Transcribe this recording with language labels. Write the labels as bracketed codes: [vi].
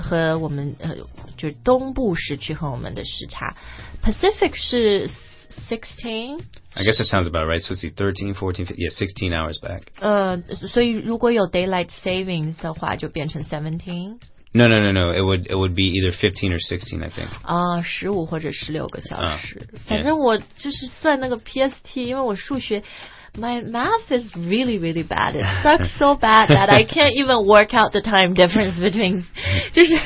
[zh] 和我们、就是东部时区和我们的时差。 Pacific 是16? [en] I guess that sounds about right. So it's 13, 14, 15, yeah, 16 hours back. [zh] 所以如果有 daylight savings 的话就变成 17? [en] No. It would be either 15 or 16, I think. [zh] 15或者16个小时。反正我就是算那个 PST, 因为我数学 [en] my math is really, really bad. It sucks so bad that I can't even work out the time difference between... [zh] 就是